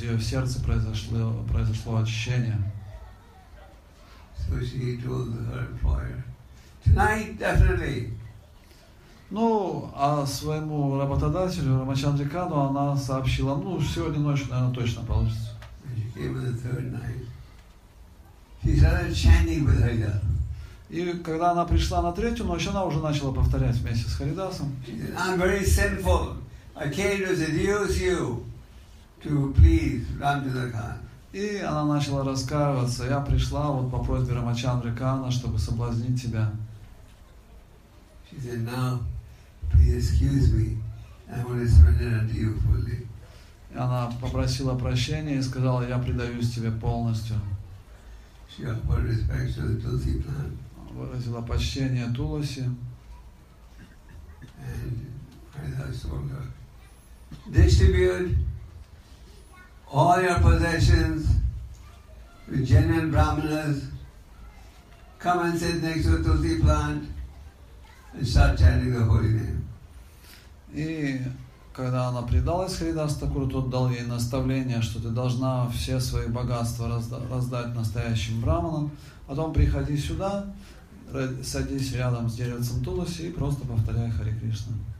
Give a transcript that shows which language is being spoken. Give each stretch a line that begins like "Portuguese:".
Russian: Ее в сердце произошло очищение.
English: So she told her employer, tonight definitely.
Russian: Ну, а своему работодателю, Рамачандри Кану, она сообщила, ну, сегодня ночью, наверное, точно получится.
English: She came on the third night. She started chanting with Haridas.
Russian: И когда она пришла на третью ночь, она уже начала повторять вместе с Харидасом.
English: She said, I'm very sinful. I came to seduce you to please run to the Khan.
Russian: И она начала раскаиваться. Я пришла вот по просьбе Рамачандри Кана, чтобы соблазнить тебя.
English: She said, now, please excuse me. I want to surrender to you fully.
Russian: Она попросила прощения и сказала, я предаюсь тебе полностью.
English: She offered respect to the Tulsi plant.
Russian: Выразила почтение Туласи.
English: And Haridas told her, distribute all your possessions with genuine brahmanas. Come and sit next to the Tulsi plant and start chanting the holy name.
Russian: И когда она предалась Харидас-такуру, тот дал ей наставление, что ты должна все свои богатства раздать настоящим браманам, потом приходи сюда, садись рядом с деревцем Туласи и просто повторяй Харе Кришна.